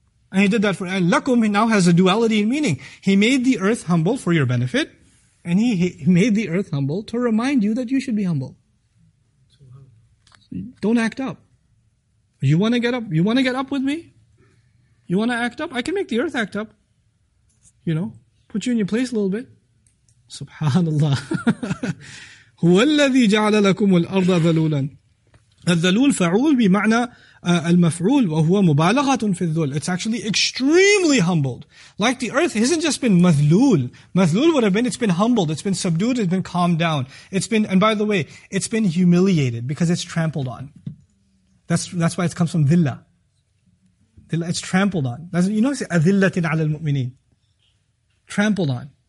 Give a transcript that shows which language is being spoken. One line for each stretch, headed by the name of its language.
English: And he did that for, and lakum, he now has a duality in meaning. He made the earth humble for your benefit, and he made the earth humble to remind you that you should be humble. Don't act up. You want to get up? You want to get up with me? You want to act up? I can make the earth act up. You know, put you in your place a little bit. Subhanallah.
Arabic: هو الذي جعل لكم الأرض ذلولا. الذلول فعول بمعنى المفعول وهو مبالغة في الذل.
English: It's actually extremely humbled. Like the earth hasn't just been مذلول. مذلول would have been, it's been humbled, it's been subdued, it's been calmed down. It's been, and by the way, it's been humiliated because it's trampled on. That's why it comes from ذلة. It's trampled on. That's, you know, it's
Arabic: أذلة على المؤمنين.
English: Trampled on.